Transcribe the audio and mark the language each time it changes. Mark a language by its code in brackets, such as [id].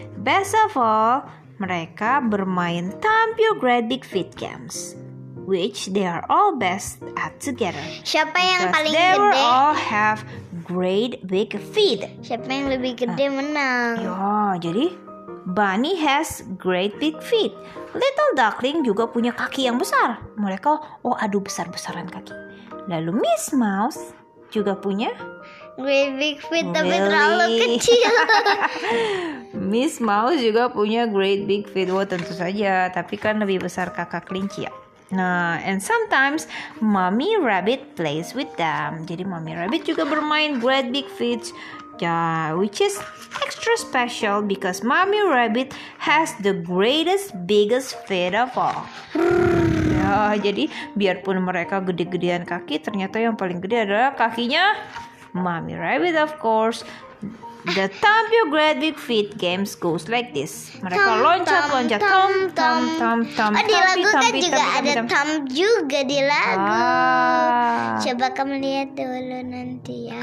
[en] Best of all, [id] mereka bermain [en] Thump Your Great Big Feet games, which they are all best at together. [id] Siapa yang paling [en] they [id] gede? [en] They all have great big feet. [id] Siapa yang lebih gede menang? [en] Jadi Bunny has great big feet. [id] Little Duckling juga punya kaki yang besar. Mereka besar-besaran kaki. Lalu Miss Mouse juga punya [en] great big feet, [id] tapi terlalu kecil. Miss Mouse juga punya [en] great big feet. [id] Oh, tentu saja, tapi kan lebih besar kakak kelinci ya. [en] Nah, and sometimes Mommy Rabbit plays with them. [id] Jadi Mommy Rabbit juga bermain great big feet. [en] Yeah, which is extra special because Mommy Rabbit has the greatest biggest feet of all. [id] Jadi biarpun mereka gede-gedean kaki, ternyata yang paling gede adalah kakinya Mommy Rabbit [en] of course. The Thump Your Great Big Feet games goes like this. [id] Mereka loncat-loncat. Thump. Di lagu kan juga ada thump juga di lagu. Coba kamu lihat dulu nanti ya.